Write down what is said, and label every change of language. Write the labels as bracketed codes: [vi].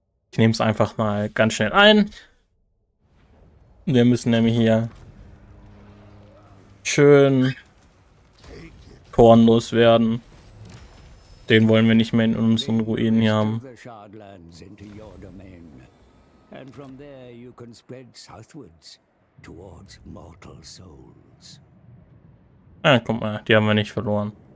[de] Ich nehme es einfach mal ganz schnell ein. Wir müssen nämlich hier schön kornlos werden. Den wollen wir nicht mehr in unseren Ruinen hier haben. [en] Shardlands into your domain. And from there you can spread southwards towards mortal souls. [de] Ah, guck mal, die haben wir nicht verloren.